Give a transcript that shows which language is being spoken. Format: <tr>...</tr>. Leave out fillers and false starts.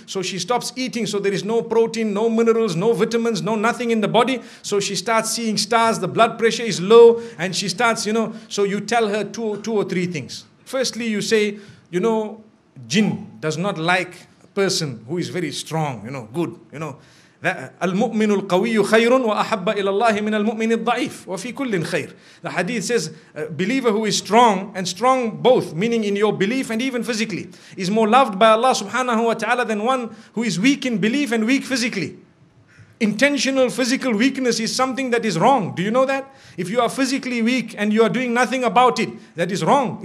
<en>So she stops eating. So there is no protein, no minerals, no vitamins, no nothing in the body. So she starts seeing stars. The blood pressure is low. And she starts, you know, so you tell her two or three things. Firstly, you say, you know, jinn does not like a person who is very strong, you know, good, you know.</en> <ar>المؤمن القوي خير وأحب إلى الله من المؤمن الضعيف وفي كل خير.</ar> <en>The hadith says, believer who is strong, and strong both, meaning in your belief and even physically, is more loved by Allah subhanahu wa ta'ala than one who is weak in belief and weak physically. Intentional physical weakness is something that is wrong. Do you know that? If you are physically weak and you are doing nothing about it, that is wrong.</en>